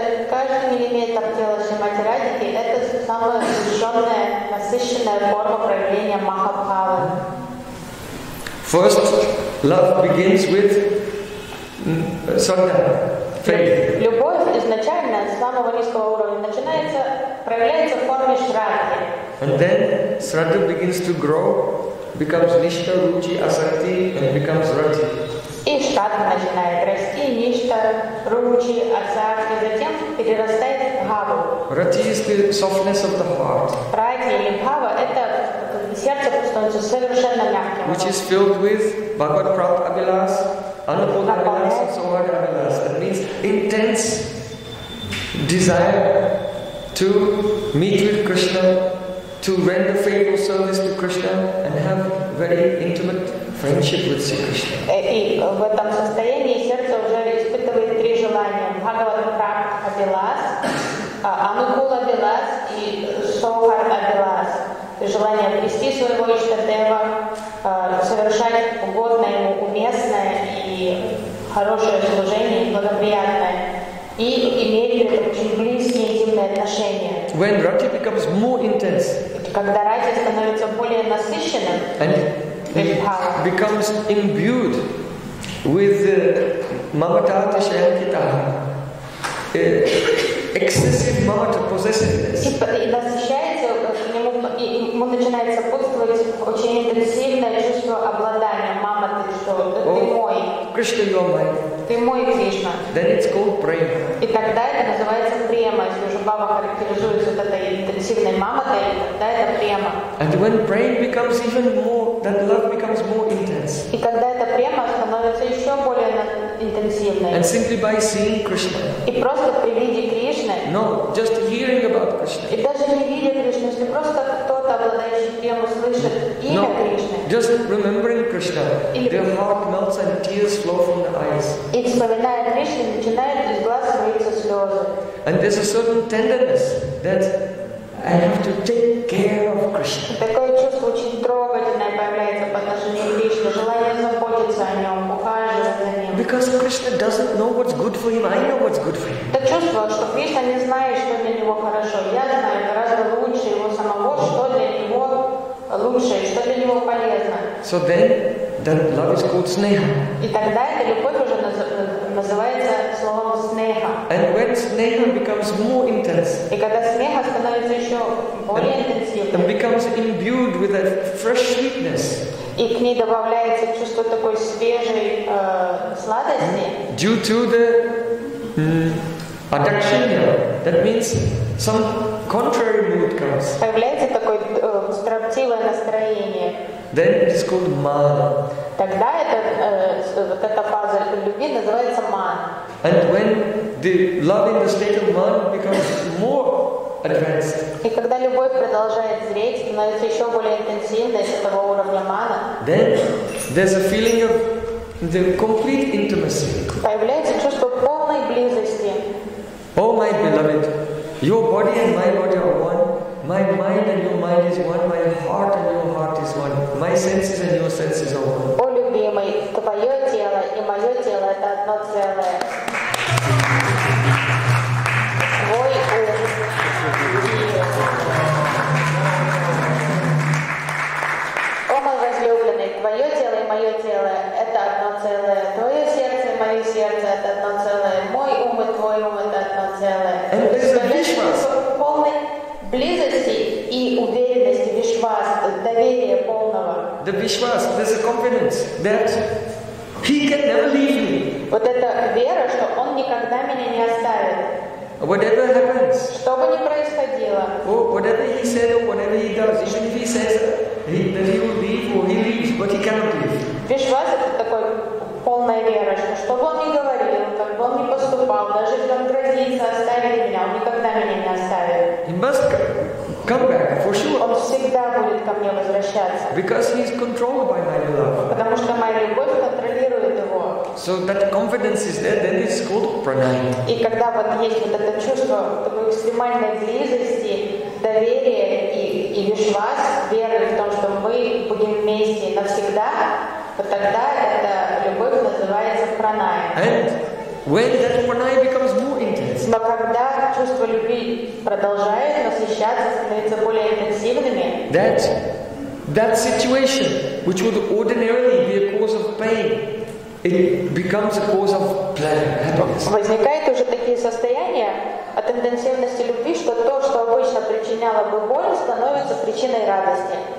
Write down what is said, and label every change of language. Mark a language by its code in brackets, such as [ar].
[ru] Каждый миллиметр тела Шримати Радики – это самая сушеная, насыщенная форма проявления Махабхавы. [en] First, love begins with sadhana, faith. [ru] Любовь изначально с самого низкого уровня начинается, проявляется в форме Шрадхи. [en] And then Shraddha begins to grow, becomes Nishta, Ruchi, Asakti, and becomes Rati. [ru] И Shraddha начинает расти, Nishta, Ruchi, Asakti, затем перерастает в Bhava. [en] Rati is the softness of the heart. [ru] Rati или Bhava – это сердце, которое становится совершенно мягким. [en] Which is filled with Bhagavad Prat Abhilas, Anupod Abhilas, and Sohar Abhilas. That means intense desire to meet with Krishna, to render faithful service to Krishna and have very intimate friendship with Sri Krishna. [ru] И в этом состоянии сердце уже испытывает три желания: Бхагавад Прапт Абилас, Анукул Абилас и Сохар Абилас. Желание обрести своего Иштадева, совершать угодное ему, уместное и хорошее служение, благоприятное, и иметь очень близкие интимные отношения. [en] When Rati becomes more intense, [ru] когда рати становится более насыщенным, [en] and becomes imbued with mamatata shankita, excessive mamata possessiveness. [ru] И насыщается к нему, и ему начинает сопутствовать очень интенсивное чувство обладания мамата, что ты мой. [en] Кришна, you are mine. [ru] Ты мой, Кришна. [en] Then it's called prema. [ru] И тогда это называется према, если уже баба характеризует вот этой интенсивной мамотой, тогда это према. [en] And when prema becomes even more, then love becomes more intense. [ru] И тогда эта према становится еще более интенсивной. [en] And simply by seeing Krishna. [ru] И просто при виде Кришны. [en] No, just hearing about Krishna. [ru] И даже не видя Кришны, если просто кто-то, обладающий прему, слышит имя [en] no, [ru] Кришны. [en] Just remembering Krishna, their heart melts and tears flow from the eyes. [ru] И вспоминая Кришну, начинает из глаз вылезать. [en] And there's a certain tenderness that I have to take care of Krishna. [ru] Такое чувство очень трогательное появляется по отношению к Кришне, желание заботиться о нем, ухаживать за ним. [en] Because Krishna doesn't know what's good for him, I know what's good for him. [ru] Это чувство, что Кришна не знает, что для него хорошо. Я знаю гораздо лучше его самого, что для него лучше, что для него полезно. [en] So then, that love is called sneha. [ru] И тогда эта любовь уже называется словом снеха. [en] And when sneha becomes more intense, [ru] и когда снеха становится еще более интенсивным, [en] and becomes imbued with a fresh sweetness, [ru] и к ней добавляется чувство такой свежей сладости, [en] due to the adakshanya, that means some contrary mood comes, [ru] появляется такое строптивое настроение. [en] Then it's called mana. [ru] Тогда эта фаза любви называется мана. [en] And when the love in the state of mana becomes more advanced. [ru] И когда любовь продолжает зреть, становится еще более интенсивной с этого уровня мана. [en] Then there's a feeling of the complete intimacy. [ru] Появляется чувство полной близости. [en] Oh my beloved, your body and my body are one. My mind and your mind is one. My heart and your heart is one. My senses and your senses are one. [ru] О любимый, твое тело и мое тело это одно целое. Твой ум. О мой возлюбленный, твое тело и мое тело это одно целое. Твое сердце и мое сердце это одно целое. Мой ум и твой ум это одно целое. [en] And there's a Vishwas. [ru] Близости и уверенности, вишвас, доверия полного. [en] The vishwas, there's a confidence that he can never leave me. [ru] Вот эта вера, что он никогда меня не оставит. [en] Whatever happens. [ru] Что бы ни происходило. [en] Oh, whatever he said or whatever he does, even if he says that he will leave or he leaves, but he cannot leave. [ru] Вишвас это такой полная вера, что бы он ни говорил, как бы он ни поступал, даже если он грозится оставить меня, он никогда меня не оставит. [en] He must come back for sure. [ru] Он всегда будет ко мне возвращаться. [en] Because he is controlled by my love. [ru] Потому что моя любовь контролирует его. [en] So that confidence is there, then it's called pranayama. [ru] И когда вот есть вот это чувство такой экстремальной близости, доверия и вишвас, веры в том, что мы будем вместе навсегда, вот тогда эта любовь называется пранайя. [en] And when that pranayama becomes more intense. [ru] Но когда чувство любви продолжает насыщаться, становится более интенсивными. [en] That situation, which would ordinarily be a cause of pain, it becomes a cause of pleasure, happiness. [ru] Возникают уже такие состояния от интенсивности любви, что то, что обычно причиняло бы боль, становится причиной радости.